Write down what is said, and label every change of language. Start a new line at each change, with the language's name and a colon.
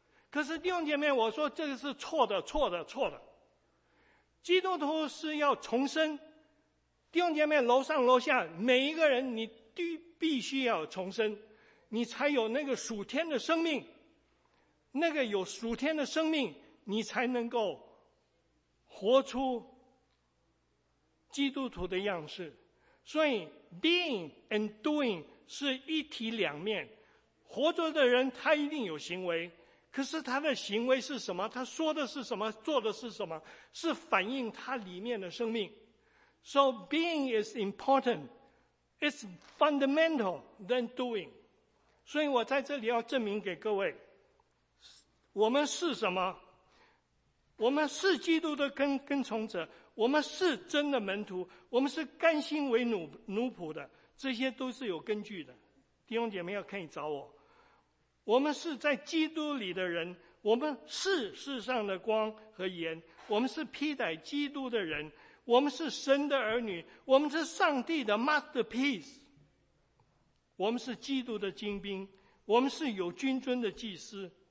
Chinese: 可是弟兄姐妹，我说这个是错的，错的，错的。基督徒是要重生，弟兄姐妹，楼上楼下每一个人，你必须要重生，你才有那个属天的生命，那个有属天的生命，你才能够活出基督徒的样式。所以
English: being and doing
Chinese: 是一体两面，活着的人他一定有行为，可是他的行为是什么，他说的是什么，做的是什么，是反映他里面的生命。
English: So being is important, it's fundamental than doing.
Chinese: 所以我在这里要证明给各位，我们是什么，我们是基督的跟从者，我们是真的门徒，我们是甘心为奴仆的，这些都是有根据的。弟兄姐妹要可以找我。我们是在基督里的人，我们是世上的光和盐，我们是披戴基督的人，我们是神的儿女，我们是上帝的 masterpiece, 我们是基督的精兵，我们是有君尊的祭司。